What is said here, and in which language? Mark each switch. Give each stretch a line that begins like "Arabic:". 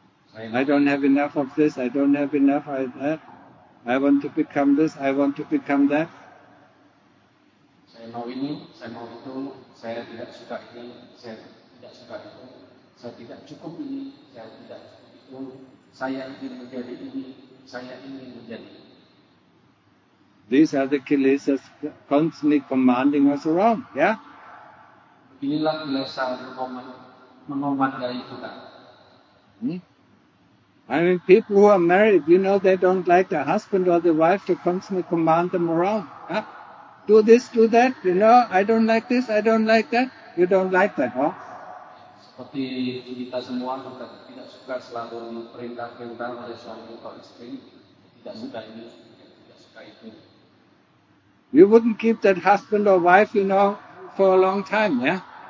English: I don't have enough of this, I don't have enough of that. I want to become this, I want to become that.
Indonesian: Saya mau ini, saya mau itu, saya tidak suka ini, saya tidak suka itu, saya tidak cukup ini, saya tidak cukup itu, saya ingin menjadi ini, saya ingin menjadi ini.
English: These are the Kilesas constantly commanding us around, yeah?
Indonesian: Inilah Kilesa mengomandai kita.
English: I mean, people who are married, you know, they don't like the husband or the wife to constantly command them around. Huh? Do this, do that, you know, I don't like this, I don't like that. You don't like that, huh?
Indonesian: Seperti kita semua, kita tidak suka selalu diperintahkan oleh suami atau istri. Tidak suka ini, tidak suka itu.
English: You wouldn't keep that husband or wife, you know, for a long time, yeah?